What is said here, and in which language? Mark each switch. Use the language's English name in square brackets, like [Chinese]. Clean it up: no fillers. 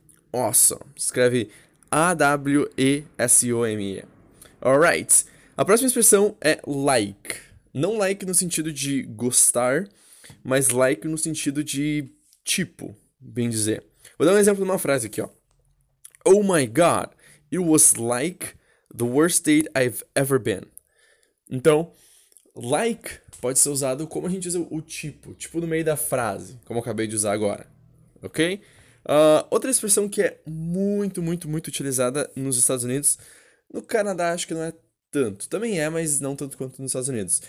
[English] Awesome. Escreve... A-W-E-S-O-M-E. Alright. [Portuguese] A próxima expressão é like. Não like no sentido de gostar, mas like no sentido de tipo, bem dizer. Vou dar um exemplo de uma frase aqui, ó. [English] Oh my God, it was like the worst date I've ever been. [Portuguese] Então, like pode ser usado como a gente usa o tipo. Tipo no meio da frase, como eu acabei de usar agora. Ok? Outra expressão que é muito, muito, muito utilizada nos Estados Unidos. No Canadá acho que não é tanto. Também é, mas não tanto quanto nos Estados Unidos.